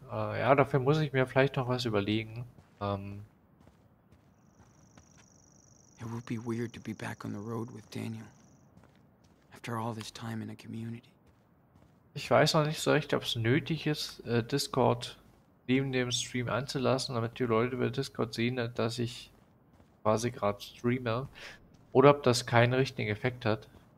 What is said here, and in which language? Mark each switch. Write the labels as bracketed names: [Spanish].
[German] Ja, dafür muss ich mir vielleicht noch was überlegen. [English] It would be weird to be back on the road with Daniel. After all this time in a community. [German] Ich weiß noch nicht so recht, ob es nötig ist, Discord neben dem Stream anzulassen, damit die Leute über Discord sehen, dass ich quasi gerade streame. Oder ob das keinen richtigen Effekt hat.